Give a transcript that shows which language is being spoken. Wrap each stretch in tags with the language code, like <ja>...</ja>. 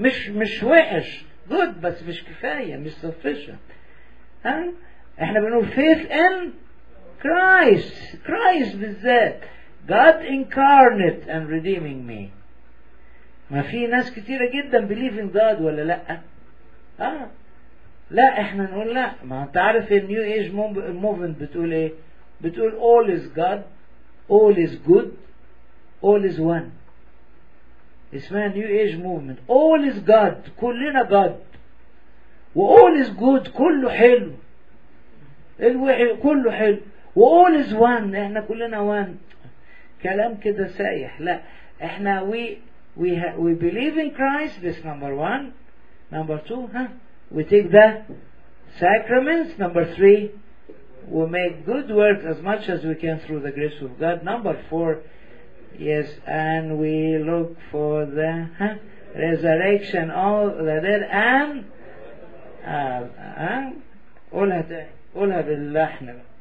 <ar>مش وحش جود بس مش كفاية مش sufficient. احنا بنقول فيث ان كرايست. كرايست بالذات</ar> <en>God incarnate and redeeming me.</en> <ar>ما في ناس كتيرة جدا</ar> <en>believe in God</en> <ar>ولا لا؟ لا احنا نقول لا. ما انت عارف النيو ايج موفمنت بتقول ايه؟ بتقول</ar> <en>all is God, all is good, all is one.</en> <ar>اسمها نيو ايج موفمنت.</ar> <en>all is God,</en> <ar>كلنا God, و</ar> <en>all is good,</en> <ar>كله حلو, الوحي كله حلو, و</ar> <en>all is one,</en> <ar>احنا كلنا one. كلام كده سايح. لا احنا</ar> <en>we believe in Christ, this number one. number two, we take the sacraments. number three, we make good work as much as we can through the grace of God. number four, yes, and we look for the resurrection of the dead.</en> <ar>and قولها باللحن.</ar>